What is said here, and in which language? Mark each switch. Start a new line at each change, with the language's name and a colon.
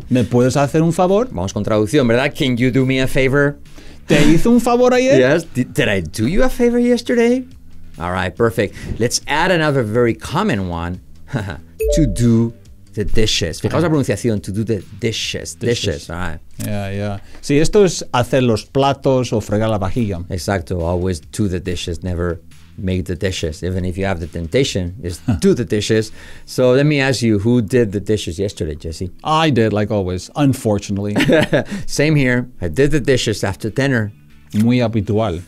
Spanish: ¿Me puedes hacer un favor? Vamos con traducción, ¿verdad?
English: Can you do me a favor?
Spanish: ¿Te hice un favor ayer?
English: Yes. Did I do you a favor yesterday? All right, perfect. Let's add another very common one, to do the dishes.
Spanish: Fijaos la pronunciación,
English: to do the dishes, all right. Yeah.
Spanish: Sí, esto es hacer los platos o fregar la vajilla. Exacto,
English: always to the dishes, never make the dishes. Even if you have the temptation, it's do the dishes. So let me ask you, who did the dishes yesterday, Jesse? I did, like always, unfortunately. Same here, I did the dishes after dinner.
Spanish: Muy habitual.